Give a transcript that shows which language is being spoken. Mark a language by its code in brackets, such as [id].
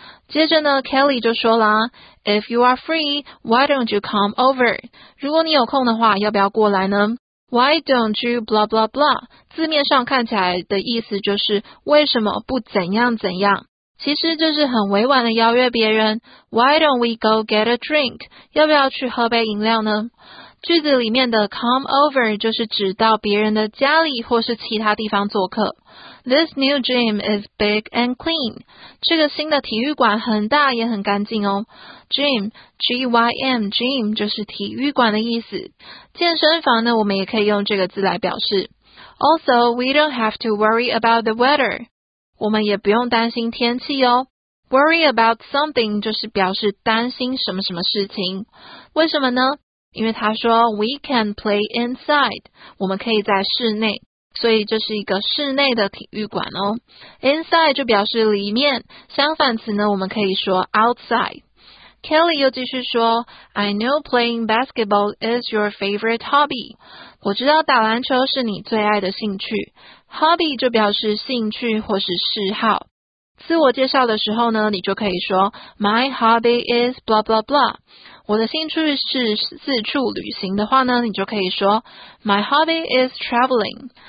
[zh] 接着呢 [en] ，Kelly [zh] 就说啦 [en] ，If you are free, why don't you come over？ [zh] 如果你有空的话，要不要过来呢 ？ [en] Why don't you blah blah blah？ [zh] 字面上看起来的意思就是为什么不怎样怎样。其实就是很委婉的邀约别人 [en] Why don't we go get a drink? [zh] 要不要去喝杯饮料呢？句子里面的 come over 就是指到别人的家里或是其他地方做客。 [en] This new gym is big and clean. [zh] 这个新的体育馆很大也很干净哦。 Gym, G-Y-M, gym 就是体育馆的意思。健身房呢，我们也可以用这个字来表示。 [en] Also, we don't have to worry about the weather. [zh] 我们也不用担心天气哦。 Worry about something 就是表示担心什么什么事情。为什么呢？因为他说 [en] We can play inside， [zh] 我们可以在室内，所以这是一个室内的体育馆哦。 Inside 就表示里面，相反词呢，我们可以说 outside。 [en] Kelly [zh] 又继续说 [en] I know playing basketball is your favorite hobby。 [zh] 我知道打篮球是你最爱的兴趣。 Hobby 就表示兴趣或是嗜好。自我介绍的时候呢，你就可以说 [en] My hobby is blah blah blah。 [zh] 我的兴趣是四处旅行的话呢，你就可以说 [en] My hobby is traveling。